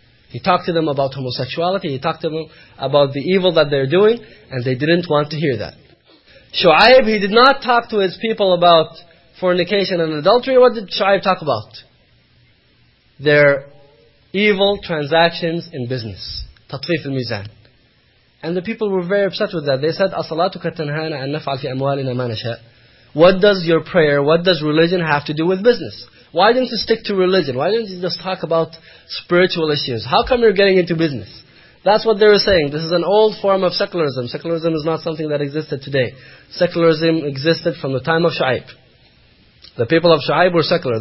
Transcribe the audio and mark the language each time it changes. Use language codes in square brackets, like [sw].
[en] He talked to them about homosexuality, he talked to them about the evil that they're doing, and they didn't want to hear that. Shu'aib, he did not talk to his people about fornication and adultery. What did Shu'aib talk about? Their evil transactions in business. Tatfif al-Mizan. And the people were very upset with that. They said, [ar] أَصَلَاتُكَ تَنْهَانَ أَنْ نَفْعَلْ فِي أَمْوَالِنَا مَا نَشَاءَ. [en] What does your prayer, what does religion have to do with business? Why didn't you stick to religion? Why didn't you just talk about spiritual issues? How come you're getting into business? That's what they were saying. This is an old form of secularism. Secularism is not something that existed today. Secularism existed from the time of Shu'aib. The people of Shu'aib were secular.